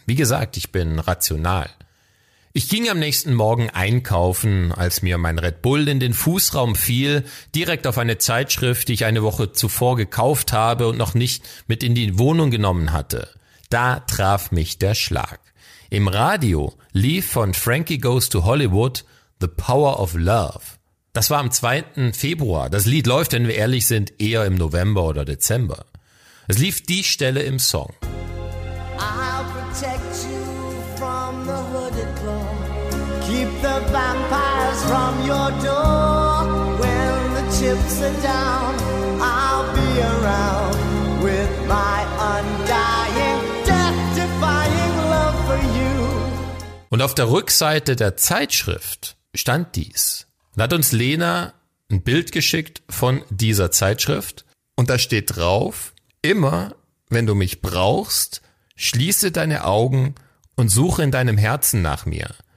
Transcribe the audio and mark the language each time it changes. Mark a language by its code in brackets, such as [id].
[de] Wie gesagt, ich bin rational. Ich ging am nächsten Morgen einkaufen, als mir mein Red Bull in den Fußraum fiel, direkt auf eine Zeitschrift, die ich eine Woche zuvor gekauft habe und noch nicht mit in die Wohnung genommen hatte. Da traf mich der Schlag. Im Radio lief von Frankie Goes to Hollywood The Power of Love. Das war am 2. Februar. Das Lied läuft, wenn wir ehrlich sind, eher im November oder Dezember. Es lief die Stelle im Song. [en] I'll protect you from the hooded claw. Keep the vampires from your door. When the chips are down, I'll be around with my undying, death-defying love for you. [de] Und auf der Rückseite der Zeitschrift stand dies. Da hat uns Lena ein Bild geschickt von dieser Zeitschrift. Und da steht drauf, immer, wenn du mich brauchst, schließe deine Augen und suche in deinem Herzen nach mir.